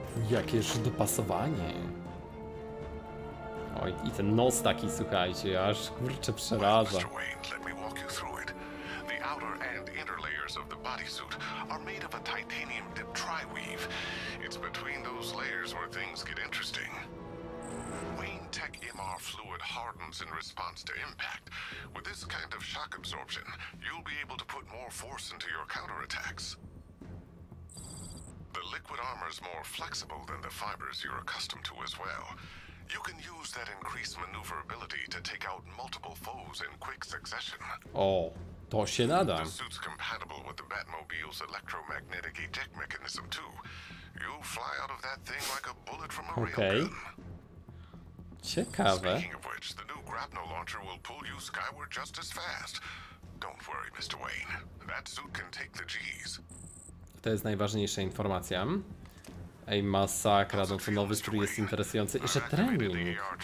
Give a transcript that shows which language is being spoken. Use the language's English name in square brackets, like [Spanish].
[Polish] Jakież dopasowanie. Oj, i ten nos taki, słuchajcie, aż kurczę przeraża. [English] Mr. Wayne, let me walk you through it. The outer and inner layers of the bodysuit are made of a titanium dip tri-weave. It's between those layers where things get interesting. Wayne Tech MR fluid hardens in response to impact. With this kind of shock absorption, you'll be able to put more force into your counterattacks. The liquid armor is more flexible than the fibers you're accustomed to as well. You can use that increased maneuverability to take out multiple foes in quick succession. [Polish] Oh, to się nada. [English] The suit's compatible with the Batmobile's electromagnetic eject mechanism too. You'll fly out of that thing like a bullet from a real gun. [Polish] Ciekawe. [English] Speaking of which, the new grapnel launcher will pull you skyward just as fast. Don't worry, Mr. Wayne. That suit can take the G's. [Polish] To jest najważniejsza informacja. Ej, masakra, no to nowy strój jest interesujący. Jeszcze trening.